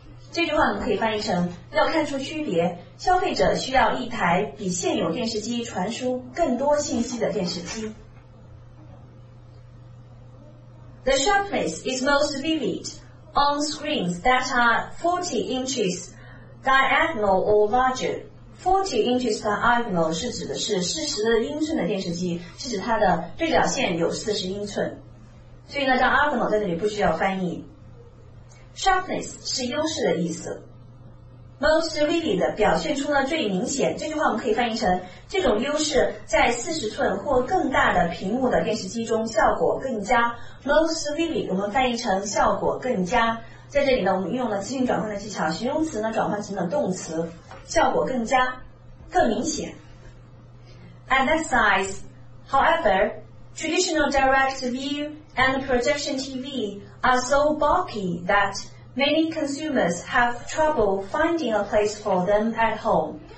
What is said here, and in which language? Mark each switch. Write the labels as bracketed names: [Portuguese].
[Chinese] 这句话我们可以翻译成，要看出区别，消费者需要一台比现有电视机传输更多信息的电视机。 [English] The sharpness is most vivid on screens that are 40 inches diagonal or larger. [Chinese] 40 inches diagonal 是指的是40英寸的电视机，是指它的对角线有40英寸，所以呢，叫 diagonal 在这里不需要翻译。 Sharpness 是优势的意思。 Most vivid 表现出了最明显，这句话我们可以翻译成，这种优势在40寸或更大的屏幕的电视机中效果更佳。 Most vivid 我们翻译成效果更佳，在这里呢，我们运用了词性转换的技巧，形容词呢转换成了动词，效果更佳，更明显。 [English] At that size, however, traditional direct view and projection TVare so bulky that many consumers have trouble finding a place for them at home.